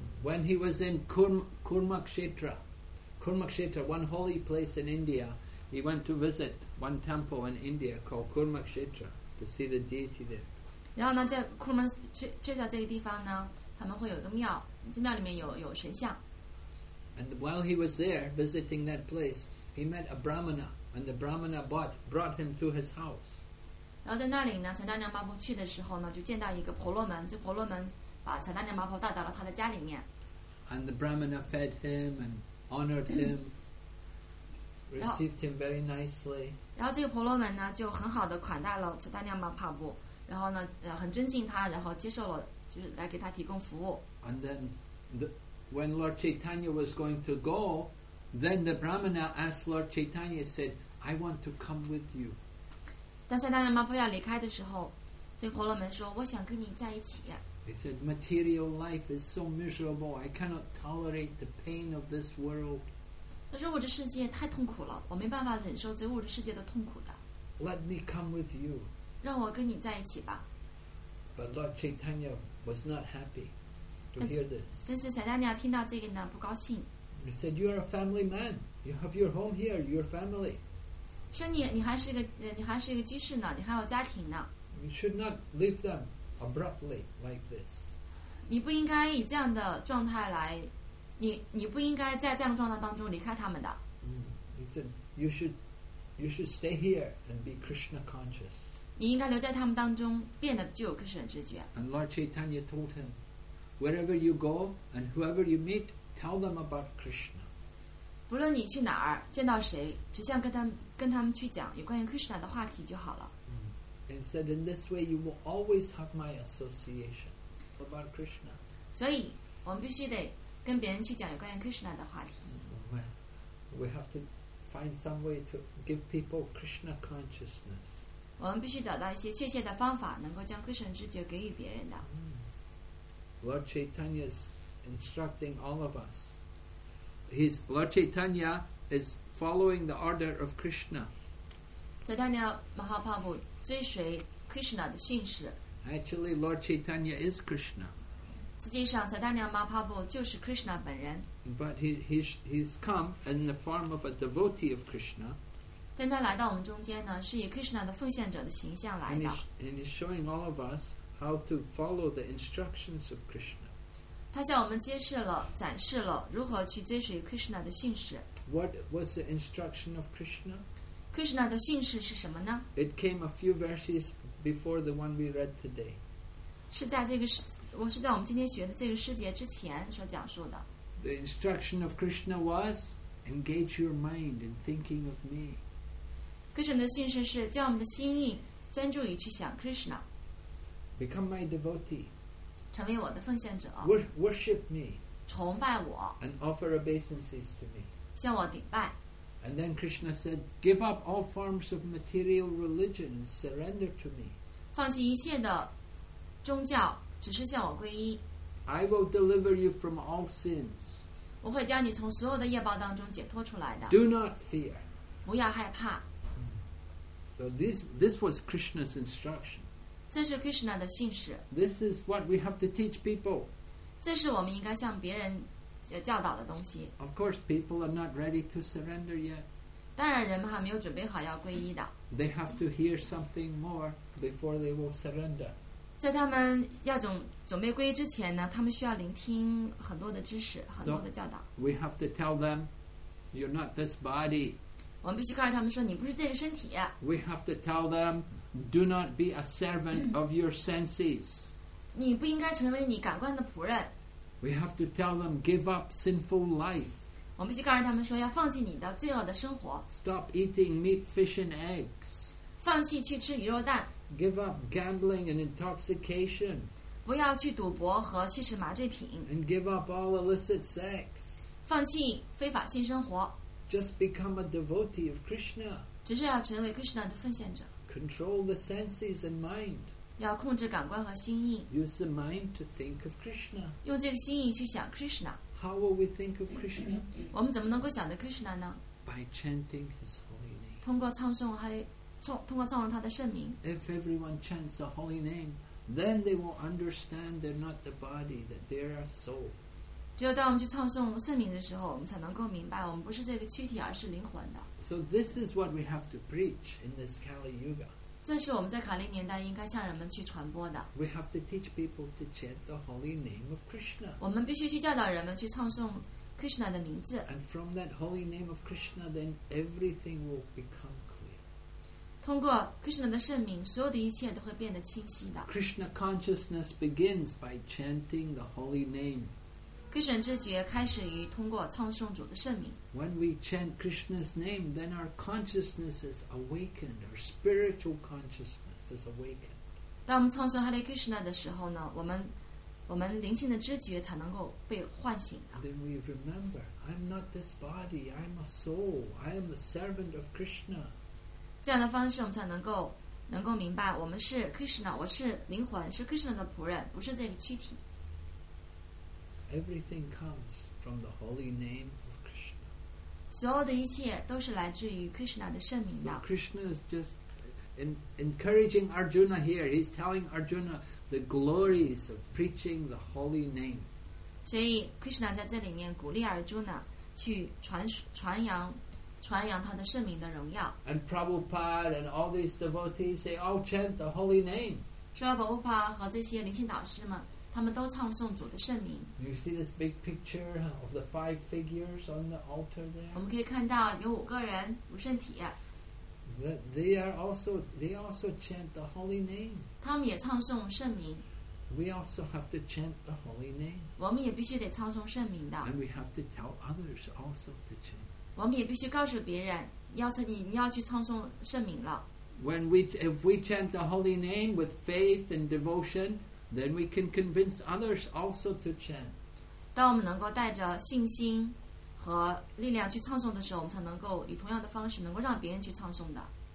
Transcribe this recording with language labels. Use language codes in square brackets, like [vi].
[en] When he was in Kurmakshetra, one holy place in India, he went to visit one temple in India called Kurmakshetra to see the deity there. [zh] 然后呢，在Kurmakshetra这个地方呢，他们会有一个庙，这庙里面有神像。 [en] And while he was there visiting that place, he met a brahmana, and the brahmana brought him to his house. [zh] 然后在那里呢，查丹娘玛帕去的时候呢，就见到一个婆罗门，这婆罗门把查丹娘玛帕带到了他的家里面。 [en] And the brahmana fed him and honored him, received him very nicely. [zh] 然后这个婆罗门呢，就很好的款待了查丹娘玛帕布，然后呢，很尊敬他，然后接受了，就是来给他提供服务。 [en] And then When Lord Chaitanya was going to go, then the brahmana asked Lord Chaitanya, said, I want to come with you. [zh] 当查丹娘玛帕要离开的时候，这个婆罗门说，我想跟你在一起。 [en] He said, material life is so miserable. I cannot tolerate the pain of this world. [zh] 他说，物质世界太痛苦了，我没办法忍受这物质世界的痛苦的。 [en] Let me come with you. [zh] 让我跟你在一起吧。 [en] But Lord Chaitanya was not happy. To hear this. [zh] 但是查丹娘听到这个呢，不高兴。 [en] He said, "You are a family man. You have your home here, your family." [zh] 说你还是一个居士呢，你还有家庭呢。 [en] You should not leave them abruptly like this. [zh] 你不应该以这样的状态来，你不应该在这样状态当中离开他们的。 [en] He said, "You should stay here and be Krishna conscious." [zh] 你应该留在他们当中，变得具有可神知觉。 [en] And Lord Chaitanya told him. Wherever you go and whoever you meet, tell them about Krishna. [zh] 不论你去哪儿，见到谁，只想跟他们去讲有关于 Krishna 的话题就好了。 [en] And said in this way, you will always have my association about Krishna. [zh] 所以我们必须得跟别人去讲有关于 Krishna 的话题。 [en] We have to find some way to give people Krishna consciousness. [zh] 我们必须找到一些确切的方法，能够将 Krishna 知觉给予别人的。 [en] Lord Chaitanya is instructing all of us. Lord Chaitanya is following the order of Krishna. [zh] Chaitanya Mahaprabhu 追随 Krishna 的训示。 [en] Actually, Lord Chaitanya is Krishna. [zh] 实际上 Chaitanya Mahaprabhu 就是 Krishna 本人。 [en] But he's come in the form of a devotee of Krishna. [zh] 但他来到我们中间呢，是以 Krishna 的奉献者的形象来的。 [en] And he's showing all of us. How to follow the instructions of Krishna. [zh] 他向我们揭示了，展示了如何去追随 Krishna 的训示。 [en] What was the instruction of Krishna? [zh] Krishna 的训示是什么呢？ [en] It came a few verses before the one we read today. [zh] 是在这个我是在我们今天学的这个诗节之前所讲述的。 [en] The instruction of Krishna was engage your mind in thinking of me. [zh] Krishna 的训示是将我们的心意专注于去想 Krishna. [en] Become my devotee. [zh] 成为我的奉献者。 [en] Worship me. [zh] 崇拜我。 [en] And offer obeisances to me. [zh] 向我顶拜。 [en] And then Krishna said, "Give up all forms of material religion and surrender to me." [zh] 放弃一切的宗教，只是向我皈依。 [en] I will deliver you from all sins. [zh] 我会将你从所有的业报当中解脱出来的。 [en] Do not fear. [zh] 不要害怕。 [en] So this was Krishna's instruction. [zh] 这是 Krishna 的训示。 [en] This is what we have to teach people. [zh] 这是我们应该向别人教导的东西。 [en] Of course, people are not ready to surrender yet. [zh] 当然人们还没有准备好要皈依的。 [en] They have to hear something more before they will surrender. [zh] 在他们要准备皈依之前呢，他们需要聆听很多的知识，很多的教导。 [en] So, we have to tell them, you're not this body. [zh] 我们必须告诉他们说，你不是这个身体。 [en] We have to tell them, do not be a servant of your senses. [zh] 你不应该成为你感官的仆人。 [en] We have to tell them, give up sinful life. [zh] 我们必须告诉他们说，要放弃你的罪恶的生活。 [en] Stop eating meat, fish and eggs. [zh] 放弃去吃鱼肉蛋。 [en] Give up gambling and intoxication. [zh] 不要去赌博和吸食麻醉品。 [en] And give up all illicit sex. [zh] 放弃非法性生活。 [en] Just become a devotee of Krishna. [zh] 只是要成为 Krishna 的奉献者。 [en] Control the senses and mind. [zh] 要控制感官和心意。 [en] Use the mind to think of Krishna. [zh] 用这个心意去想 Krishna. [en] How will we think of Krishna? [zh] 我们怎么能够想到 Krishna 呢？ [en] By chanting his holy name. [zh] 通过唱诵他的圣名。 [en] If everyone chants the holy name, then they will understand they're not the body, that they're a soul. [zh] 只有当我们去唱诵圣名的时候，我们才能够明白我们不是这个躯体，而是灵魂的。 [en] So this is what we have to preach in this Kali Yuga. [zh] 这是我们在卡利年代应该向人们去传播的。 [en] We have to teach people to chant the holy name of Krishna. [zh] 我们必须去教导人们去唱诵 Krishna 的名字。 [en] And from that holy name of Krishna, then everything will become clear. [zh] 通过 Krishna 的圣名，所有的一切都会变得清晰的。 [en] Krishna consciousness begins by chanting the holy name. [zh] Krishna 知觉开始于通过唱诵主的圣名。 [en] When we chant Krishna's name, then our consciousness is awakened, our spiritual consciousness is awakened. [zh] 当我们唱诵 Hare Krishna 的时候呢，我们灵性的知觉才能够被唤醒的。 [en] Then we remember, I'm not this body, I'm a soul, I am the servant of Krishna. [zh] 这样的方式我们才能够明白，我们是 Krishna, 我是灵魂，是 Krishna 的仆人，不是这个躯体。 [en] Everything comes from the holy name. [zh] 所有的一切都是来自于 Krishna 的圣名的。 [en] So Krishna is just encouraging Arjuna here. He's telling Arjuna the glories of preaching the holy name. [zh] 所以 Krishna 在这里面鼓励 Arjuna 去 传扬他的圣名的荣耀。 [en] And Prabhupada and all these devotees, they all chant the holy name. [zh] 说到 Prabhupada 和这些灵性导师们，他们都唱诵主的圣名。 [en] You see this big picture of the five figures on the altar there? [zh] 我们可以看到有五个人，五圣体。 [en] They also chant the holy name. [zh] 他们也唱诵圣名。 [en] We also have to chant the holy name. [zh] 我们也必须得唱诵圣名的。 [en] And we have to tell others also to chant. [zh] 我们也必须告诉别人，你要去唱诵圣名了。 [en] If we chant the holy name with faith and devotion,Then we can convince others also to chant. [zh] 当我们能够带着信心和力量去唱诵的时候，我们才能够以同样的方式能够让别人去唱诵的。